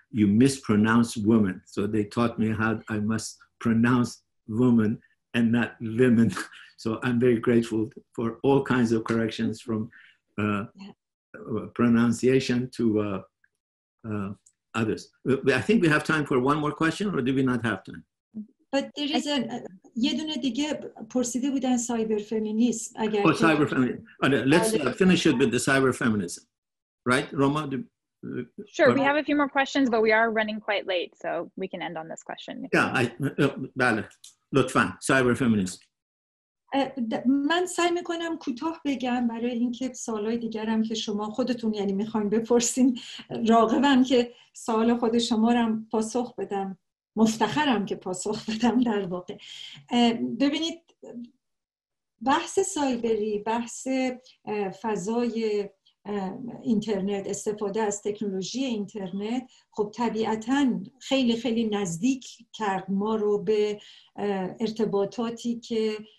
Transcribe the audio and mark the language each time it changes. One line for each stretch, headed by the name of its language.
English: You mispronounce women. So they taught me how I must pronounce woman and not women. So I'm very grateful for all kinds of corrections from pronunciation to others. I think we have time for one more question, or do we not have time? But there is
Persian: یه دونه دیگه پرسیده بودن سایبر فمینیسم اگر
English: oh, cyber feminism. Oh, no, let's finish it with the cyber feminism. Right, Roma? Sure, we have a few more questions, but we are running quite late, so we can end on this question.
Persian: بله. لطفاً سایبر فمینیسم. من سعی میکنم کوتاه بگم برای اینکه سوالای دیگرم که شما خودتون یعنی میخواین بپرسین راغبم که سوال خود شما رو هم پاسخ بدم. مفتخرم که پاسخ بدم در واقع. ببینید بحث سایبری، بحث فضای اینترنت، استفاده از تکنولوژی اینترنت خب طبیعتاً خیلی خیلی نزدیک کرد ما رو به ارتباطاتی که